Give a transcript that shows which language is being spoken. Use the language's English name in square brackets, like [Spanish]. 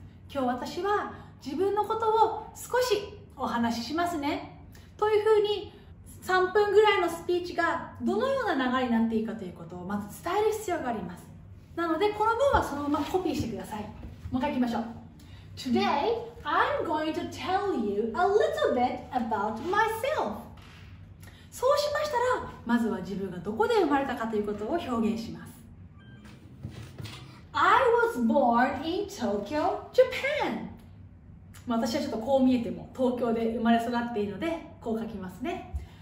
[Japanese] 今日私は自分のことを少しお話ししますね。というふうに3分ぐらいのスピーチがどのような流れになっていいかということをまず伝える必要があります。なのでこの文はそのままコピーしてください。もう一回いきましょう。 [English] Today, I'm going to tell you a little bit about myself. [Japanese] そうしましたら、まずは自分がどこで生まれたかということを表現します。 [English] I was born in Tokyo, Japan. [Japanese] 私はちょっとこう見えても東京で生まれ育っているので、こう書きますね。